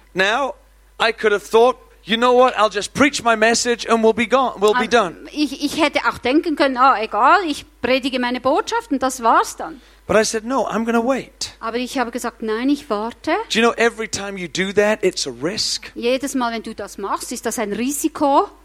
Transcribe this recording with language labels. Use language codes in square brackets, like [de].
[en] Now, I could have thought, you know what, I'll just preach my message and we'll be gone, we'll be done. [de] Ich hätte auch denken können, oh, egal, ich predige meine Botschaft und das war's dann. [en] But I said, no, I'm going to wait. [de] Aber ich habe gesagt, nein, ich warte. [en] Do you know, every time you do that, it's a risk. [de] Jedes Mal, wenn du das machst, ist das ein Risiko.